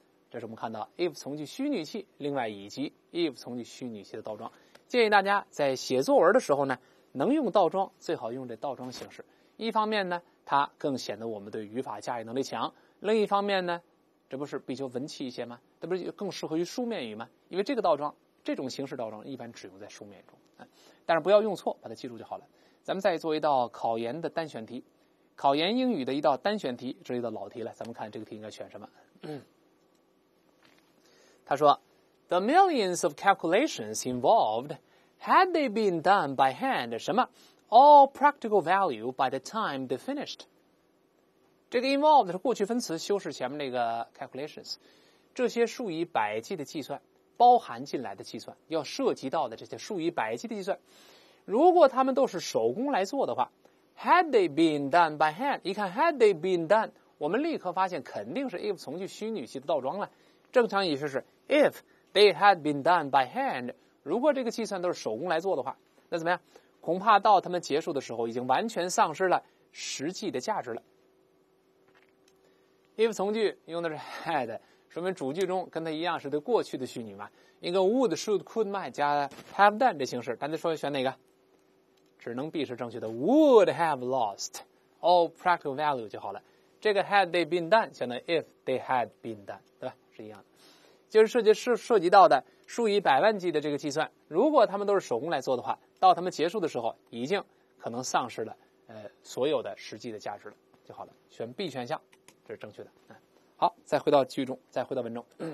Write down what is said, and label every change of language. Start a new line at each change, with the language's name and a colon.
Chinese: 这是我们看到 if 从句虚拟语气另外以及 if 从句虚拟语气的倒装，建议大家在写作文的时候呢能用倒装最好用这倒装形式，一方面呢它更显得我们对语法驾驭能力强，另一方面呢这不是比较文气一些吗，这不是更适合于书面语吗，因为这个倒装这种形式倒装一般只用在书面语中，但是不要用错，把它记住就好了。咱们再做一道考研的单选题，考研英语的一道单选题，这一道老题了，咱们看这个题应该选什么。他说
English: The millions of calculations involved, had they been done by hand,
Chinese: 什么
English: all practical value by the time they finished.
Chinese: 这个 involved 是过去分词，修饰前面那个 calculations。这些数以百计的计算，包含进来的计算，要涉及到的这些数以百计的计算，如果他们都是手工来做的话 ，
English: had they been done by hand，
Chinese: 一看
English: had they been done，
Chinese: 我们立刻发现肯定是 if 从句虚拟句的倒装了。正常语序是
English: if they had been done by hand，
Chinese: 如果这个计算都是手工来做的话，那怎么样？恐怕到他们结束的时候，已经完全丧失了实际的价值了。 if 从句用的是 had。说明主句中跟它一样是对过去的虚拟嘛，一个 would, should, could, might 加 have done 这形式，但你说选哪个？只能 B 是正确的 ，
English: would have lost all practical value
Chinese: 就好了。这个
English: had they been done
Chinese: 选的
English: if they had been done，
Chinese: 对吧？是一样的，就是涉及到的数以百万计的这个计算，如果他们都是手工来做的话，到他们结束的时候，已经可能丧失了所有的实际的价值了，就好了。选 B 选项，这是正确的。好，再回到句中，再回到文中。